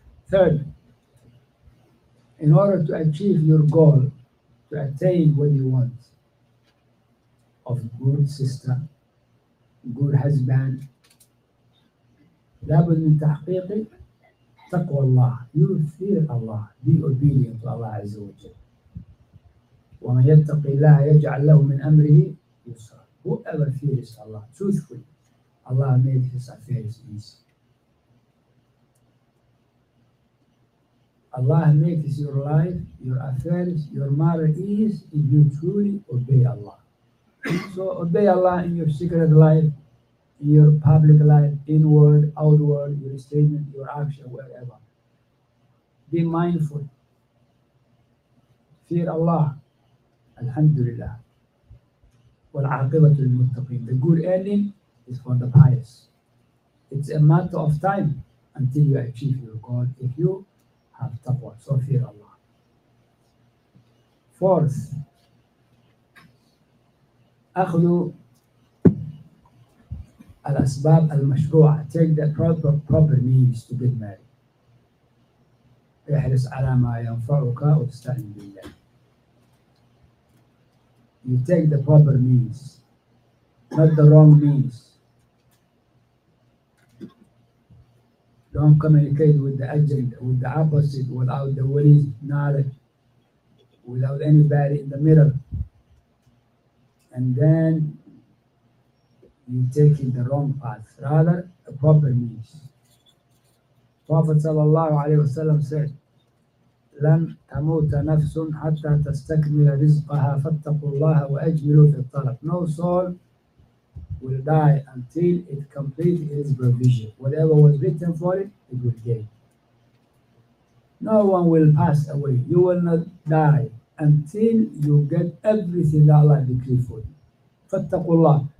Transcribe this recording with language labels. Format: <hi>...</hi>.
<en>Third, in order to achieve your goal, to attain what you want of good sister, good husband,</en> <ar>لابد من تحقيق تقوى الله.</ar> <en>You fear Allah. Be obedient to Allah Azza wa Jal.</en> <ar>ومن يتقي الله يجعل له من أمره يسرا.</ar> <en>Whoever fears Allah, truthfully, Allah made his affairs easy. Allah makes your life, your affairs, your matter easy if you truly obey Allah. So obey Allah in your secret life, in your public life, inward, outward, your statement, your action, wherever. Be mindful. Fear Allah. Alhamdulillah.</en> <ar>وَالْعَاقِبَةُ الْمُتَّقِينَ.</ar> <en>The good ending is for the pious. It's a matter of time until you achieve your goal if you have taqwa, so fear Allah.</en> <ar>Fourth, أخذ الأسباب المشروعة.</ar> <en>Take the proper means to get married.</en> <ar>احرص على ما ينفعك واستعن بالله.</ar> <en>You take the proper means, not the wrong means. Don't communicate with the agent, with the opposite, without the willing knowledge, without anybody in the middle. And then you're taking the wrong path, rather the proper means. Prophet sallallahu alayhi wa sallam said,</en> <ar>لن تموت نفس حتى تستكمل رزقها فاتقوا الله وأجملوا في الطلب.</ar> <en>No soul will die until it completes its provision. Whatever was written for it, it will gain. No one will pass away. You will not die until you get everything that Allah decreed for you.</en> <ar>فاتقوا الله.</ar>